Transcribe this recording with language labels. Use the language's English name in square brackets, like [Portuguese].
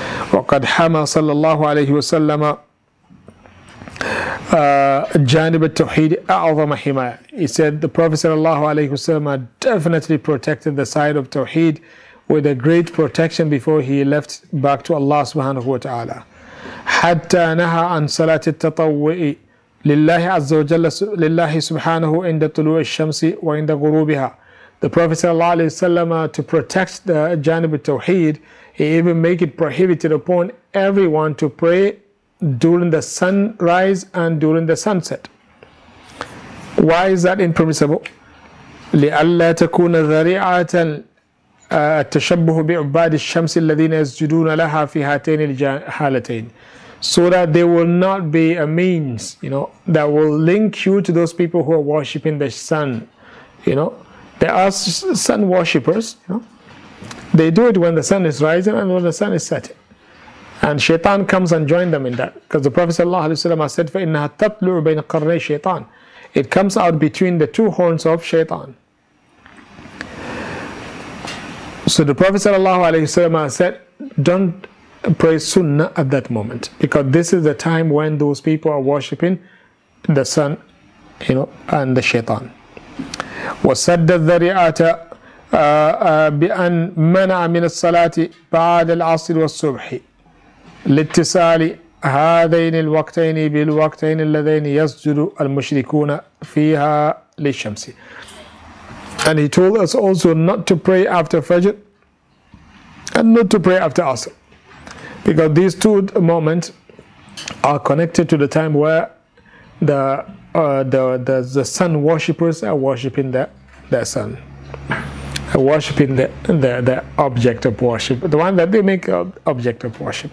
[Arabic] وَقَدْ حَمَى صَلَّى اللَّهُ عَلَيْهِ وَسَلَّمَ جَانِبَ التَّوْحِيدِ أَعْظَمَ حِمَايَةً [English] He said, the Prophet ﷺ definitely protected the side of Tawheed with a great protection before he left back to Allah subhanahu wa ta'ala. [Arabic] حتى نهى عن صلاة التطوع لله عز وجل لله سبحانه عند طلوع الشمس وعند غروبها. [English] The Prophet sallallahu alaihi wasallam to protect the janib al-tawheed, he even make it prohibited upon everyone to pray during the sunrise and during the sunset. Why is that impermissible? [Arabic] لألا تكون ذريعة التشبه بعباد الشمس الذين يسجدون لها في هاتين الحالتين. [English] So that there will not be a means, you know, that will link you to those people who are worshipping the sun. You know, there are sun worshippers, you know. They do it when the sun is rising and when the sun is setting. And shaitan comes and joins them in that. Because the Prophet sallallahu alayhi wa sallam has said, [Arabic] فَإِنَّهَا تَطْلُعُ بَيْنَ قَرْنَي [English] shaitan. It comes out between the two horns of shaitan. So the Prophet sallallahu alayhi wa sallam has said, don't pray sunnah at that moment, because this is the time when those people are worshipping the sun, you know, and the shaitan. [Arabic] وَسَدَّ الذَّرِعَةَ بِأَنْ مَنَعَ مِنَ الصَّلَاةِ بَعَدَ الْعَصِرِ وَالصُّبْحِ لِاتِّسَالِ هَذَيْنِ الْوَقْتَيْنِ بِالْوَقْتَيْنِ الَّذَيْنِ يَسْجُدُ الْمُشْرِكُونَ فِيهَا لِلشَّمْسِ [English] And he told us also not to pray after Fajr and not to pray after Asr. Because these two moments are connected to the time where the sun worshippers are worshipping their sun, are worshipping the object of worship, the one that they make object of worship.